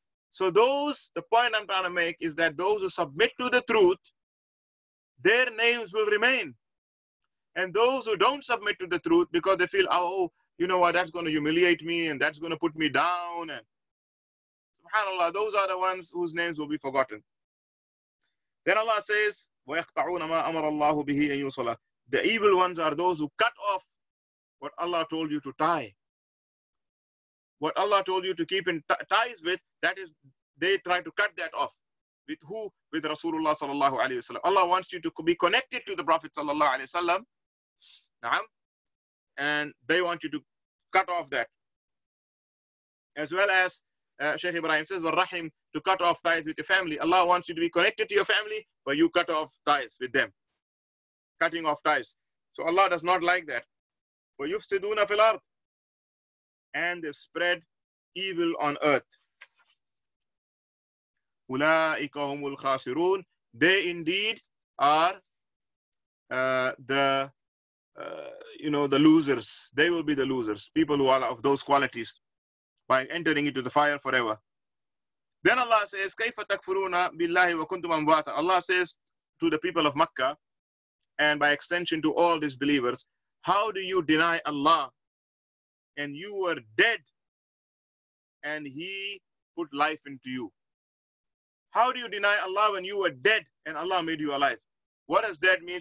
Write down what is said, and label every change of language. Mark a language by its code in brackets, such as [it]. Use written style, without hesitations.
[en] So those, the point I'm trying to make is that those who submit to the truth, their names will remain. And those who don't submit to the truth because they feel, "Oh, you know what, that's going to humiliate me and that's going to put me down." And subhanAllah, those are the ones whose names will be forgotten. Then Allah says, [ar] وَيَقْطَعُونَ مَا أَمَرَ اللَّهُ بِهِ أَن يُوصَلَ. [en] The evil ones are those who cut off what Allah told you to tie. What Allah told you to keep in ties with, that is, they try to cut that off. With who? With Rasulullah sallallahu alayhi wa sallam. Allah wants you to be connected to the Prophet sallallahu alayhi wa sallam. Naam. And they want you to cut off that. As well as Shaykh Ibrahim says, [ar] وَالرَّحِمْ, [en] to cut off ties with your family. Allah wants you to be connected to your family, but you cut off ties with them. Cutting off ties. So Allah does not like that. [ar] وَيُفْسِدُونَ فِي الْأَرْضِ, [en] and they spread evil on earth. [ar] أُولَٰئِكَ هُمُ الْخَاسِرُونَ. [en] They indeed are the losers. They will be the losers. People who are of those qualities by entering into the fire forever. Then Allah says, [ar] كَيْفَ تَكْفُرُونَ بِاللَّهِ وَكُنْتُمْ أَمْوَاتًا. [en] Allah says to the people of Makkah, and by extension to all disbelievers, how do you deny Allah? And you were dead, and He put life into you. How do you deny Allah when you were dead and Allah made you alive? What does that mean?